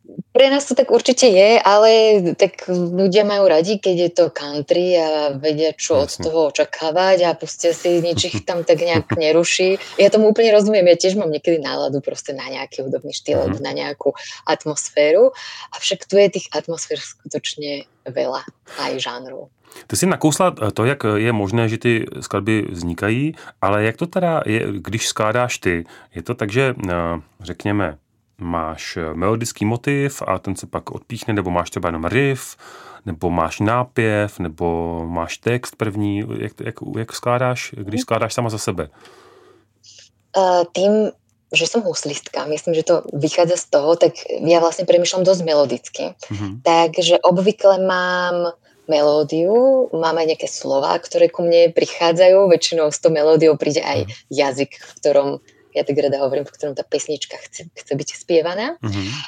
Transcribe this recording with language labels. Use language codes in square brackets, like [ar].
[sk] Pre nás to tak určite je, ale tak ľudia majú radi, keď je to country a vedia, čo od toho očakávať, a pustia si, nič ich tam tak nejak neruší. Ja tomu úplne rozumiem, ja tiež mám niekedy náladu proste na nejaký hudobný štýl, mm-hmm. na nejakú atmosféru, avšak tu je tých atmosfér skutočne veľa, aj žánru. [cs] Ty si nakousla to, jak je možné, že ty skladby vznikají, ale jak to teda je, když skládáš ty, je to tak, že řekněme, máš melodický motiv a ten se pak odpíchne, nebo máš třeba jenom riff, nebo máš nápěv, nebo máš text první. Jak skládáš, když skládáš sama za sebe? [sk] Tým, že som huslistka, myslím, že to vychádza z toho, tak ja vlastne premýšľam dosť melodicky. Mm-hmm. Takže obvykle mám melódiu, mám aj nejaké slova, ktoré ku mne prichádzajú. Väčšinou s tou melódiou príde aj mm-hmm. jazyk, v ktorom ja tak rada hovorím, po ktorom tá pesnička chce byť spievaná. Mm-hmm.